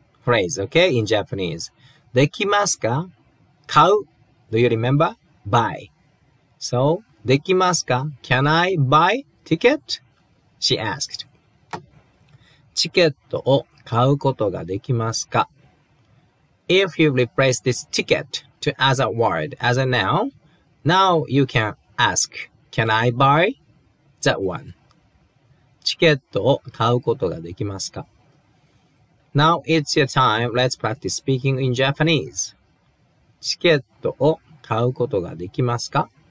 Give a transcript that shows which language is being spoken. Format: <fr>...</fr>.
<en>Phrase, okay, in Japanese.</en> <ja>できますか?買う.</ja> <en>Do you remember? Buy. So,</en> <ja>できますか?</ja> <en>Can I buy ticket? She asked.</en> <ja>チケットを買うことができますか?</ja> <en>If you replace this ticket,to as a word, as a noun, now you can ask, can I buy that one?</en> <ja>チケットを買うことができますか?</ja> <en>Now it's your time, let's practice speaking in Japanese.</en> <ja>チケットを買うことができますか?</ja>